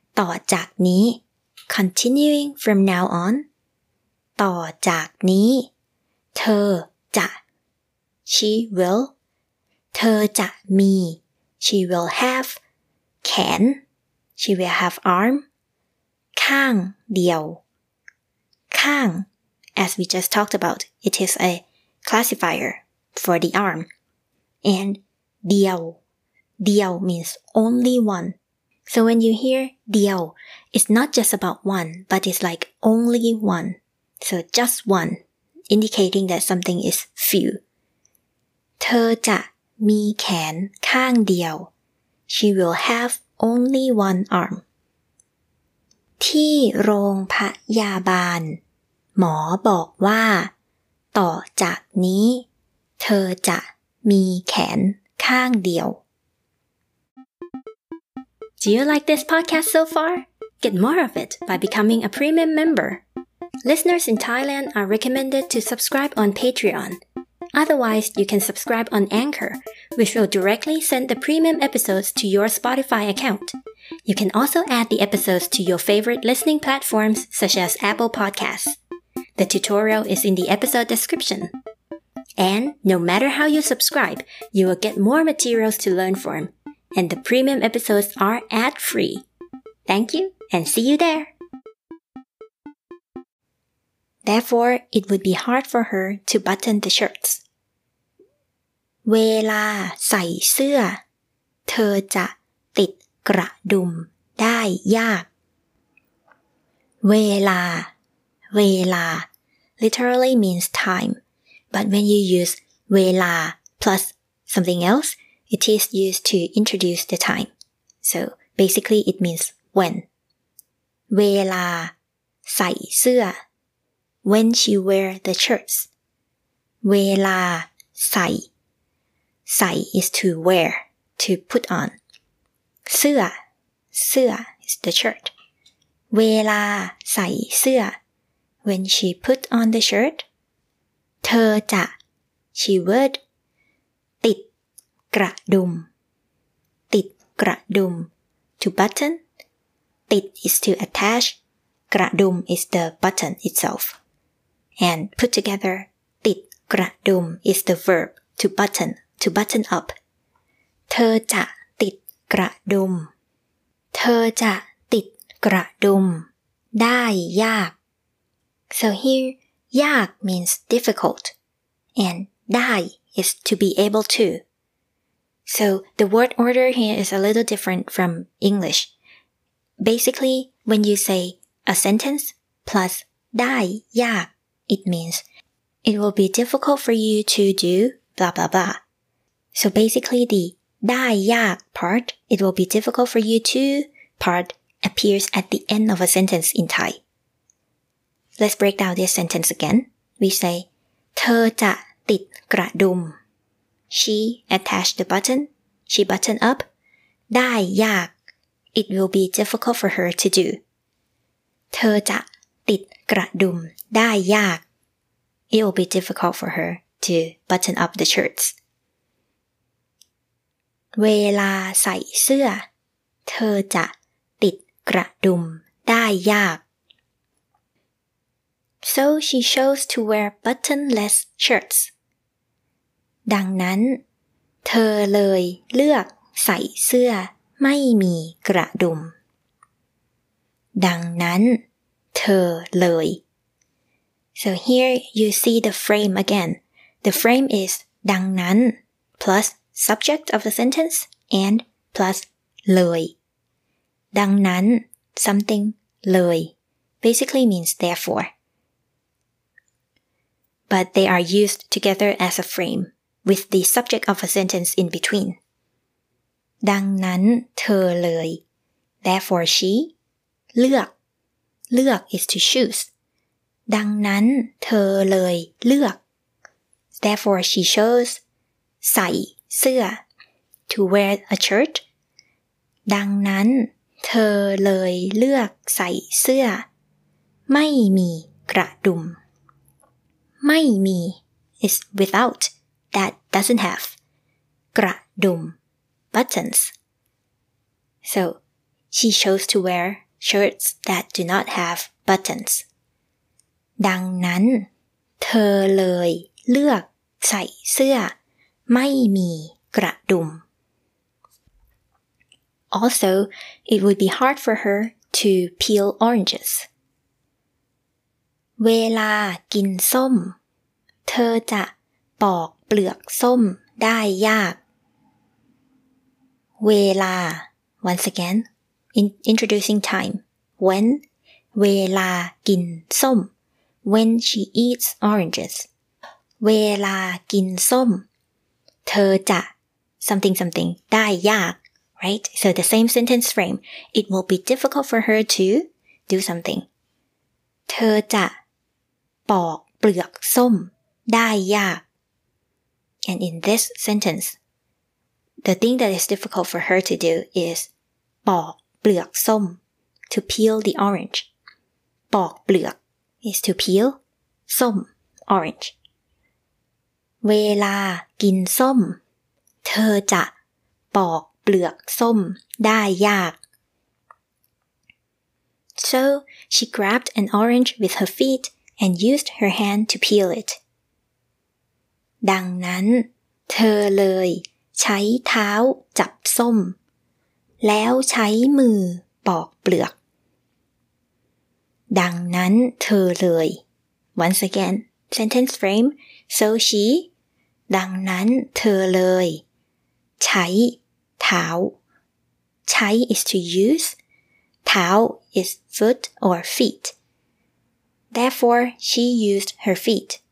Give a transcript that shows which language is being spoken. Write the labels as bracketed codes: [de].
[th] ต่อจากนี้ [en] continuing from now on [th] ต่อจากนี้เธอจะ [en] she will [th] เธอจะมี [en] she will have แขน she will have arm [th] ข้างเดียวข้าง [en] as we just talked about it is a classifier for the arm and เดียวเดียว means only one. So when you hear เดียว, it's not just about one, but it's like only one. So just one, indicating that something is few. [th] เธอจะมีแขนข้างเดียว. [en] She will have only one arm. [th] ที่โรงพยาบาล, หมอบอกว่า, ต่อจากนี้, เธอจะมีแขนข้างเดียว. [en] Do you like this podcast so far? Get more of it by becoming a premium member. Listeners in Thailand are recommended to subscribe on Patreon. Otherwise, you can subscribe on Anchor, which will directly send the premium episodes to your Spotify account. You can also add the episodes to your favorite listening platforms such as Apple Podcasts. The tutorial is in the episode description. And no matter how you subscribe, you will get more materials to learn from. And the premium episodes are ad-free. Thank you, and see you there! Therefore, it would be hard for her to button the shirts. [th] เวลาใส่เสื้อเธอจะติดกระดุมได้ยาก เวลา [en] literally means time. But when you use เวลา plus something else,It is used to introduce the time. So basically it means when. [th] เวลาใส่เสื้อ [en] When she wear the shirts. เวลาใส่ใส่ is to wear, to put on. เสื้อ is the shirt. [th] เวลาใส่เสื้อ [en] When she put on the shirt. [th] เธอจะ [en] She would. กระดุมติดกระดุม to button ติด is to attach กระดุม is the button itself and put together ติดกระดุม is the verb to button up [th] เธอจะติดกระดุมเธอจะติดกระดุมได้ยาก [en] so here ยาก means difficult and ได้ is to be able toSo the word order here is a little different from English. Basically, when you say a sentence plus ได้ยาก, it means it will be difficult for you to do blah blah blah. So basically the ได้ยาก part, it will be difficult for you to part appears at the end of a sentence in Thai. Let's break down this sentence again. We say [th] เธอจะติดกระดุม [en] She attached the button. She buttoned up. ได้ยาก. It will be difficult for her to do. [th] เธอจะติดกระดุมได้ยาก. [en] It will be difficult for her to button up the shirts. [th] เวลาใส่เสื้อ, เธอจะติดกระดุมได้ยาก. [en] So she chose to wear buttonless shirts. [th] ดังนั้นเธอเลยเลือกใส่เสื้อไม่มีกระดุมดังนั้นเธอเลย [en] So here you see the frame again. The frame is ดังนั้น plus subject of the sentence and plus เลย ดังนั้น something เลย basically means therefore. But they are used together as a frame. With the subject of a sentence in between. [th] ดังนั้นเธอเลย [en] Therefore she เลือก เลือก is to choose. [th] ดังนั้นเธอเลยเลือก [en] Therefore she chose [th] ใส่เสื้อ [en] to wear a shirt. [th] ดังนั้นเธอเลยเลือกใส่เสื้อไม่มีกระดุมไม่มี [en] is withoutThat doesn't have กระดุม buttons. So she chose to wear shirts that do not have buttons. [th] ดังนั้นเธอเลยเลือกใส่เสื้อไม่มีกระดุม [en] Also, it would be hard for her to peel oranges. [th] เวลากินส้มเธอจะปอกเปลือกส้มได้ยากเวลา [en] once again introducing time when [th] เวลากินส้ม [en] when she eats oranges [th] เวลากินส้มเธอจะ [en] something something ได้ยาก right so the same sentence frame it will be difficult for her to do something [th] เธอจะปอกเปลือกส้มได้ยาก [en] and in this sentenceThe thing that is difficult for her to do is [th] ปอกเปลือกส้ม [en] to peel the orange. [th] ปอกเปลือก [en] is to peel [th] ส้ม [en] orange. [th] เวลากินส้มเธอจะปอกเปลือกส้มได้ยาก [en] So she grabbed an orange with her feet and used her hand to peel it. [th] ดังนั้นเธอเลยใช้เท้าจับส้มแล้วใช้มือปอกเปลือกดังนั้นเธอเลย [en] once again sentence frame so she [th] ดังนั้นเธอเลยใช้เท้าใช้ [en] is to use เท้า is foot or feet therefore she used her feet